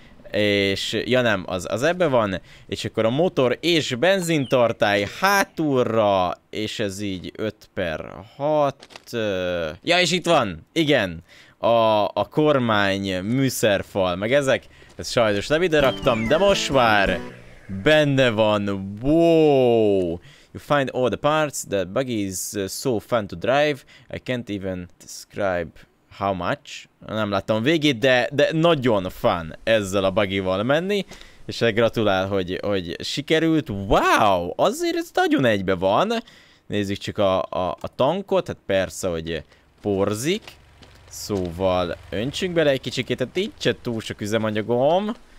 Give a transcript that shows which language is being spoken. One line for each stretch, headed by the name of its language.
Hungarian: És, ja nem, az ebbe van. És akkor a motor és benzintartály hátulra, és ez így 5/6. Ja, és itt van, igen, a kormány, műszerfal, meg ezek. Ezt sajnos nem ide raktam, de most már benne van, wow.
English: You find all the parts, that buggy is so fun to drive, I can't even describe how much.
Hungarian: Nem láttam végét, de nagyon fun ezzel a buggyval menni, és gratulál, hogy sikerült. Wow, azért ez nagyon egybe van. Nézzük csak a tankot, hát persze, hogy porzik, szóval öntsünk bele egy kicsikét, hát így se túl sok üzemanyagom.